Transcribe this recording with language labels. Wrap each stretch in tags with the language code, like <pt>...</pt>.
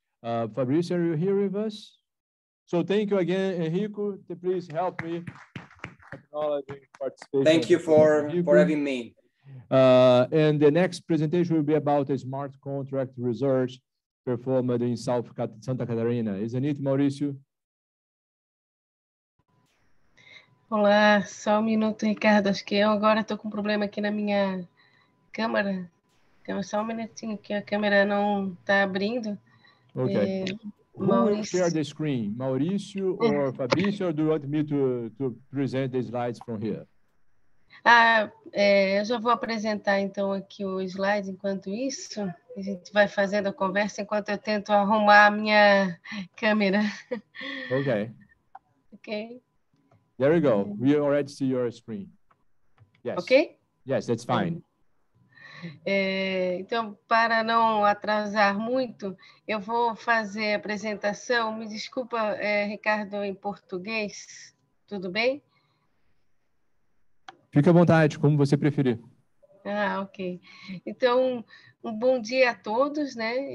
<en>Fabricia, are you here with us? So thank you again, Enrico. Please help me acknowledge participation. Thank you for having me. And the next presentation will be about a smart contract research performed in South Santa Catarina. Isn't it, Mauricio?</en> <pt>Olá, só um minuto, Ricardo, acho que eu agora estou com um problema aqui na minha câmera. Só um minutinho, que a câmera não está abrindo.</pt> <en>Ok. Mauricio. Who will share the screen, Mauricio or Fabrício, or do you want me to present the slides from here?</en> <pt>Eu já vou apresentar então aqui o slide enquanto isso, a gente vai fazendo a conversa enquanto eu tento arrumar a minha câmera.</pt> <en>Ok. Ok. There you go. We already see your screen. Yes. Okay. Yes, that's fine.</en> <pt>Então, para não atrasar muito, eu vou fazer a apresentação. Me desculpa, Ricardo, em português. Tudo bem? Fique à vontade, como você preferir. Ah, ok. Então, um bom dia a todos, né?</pt>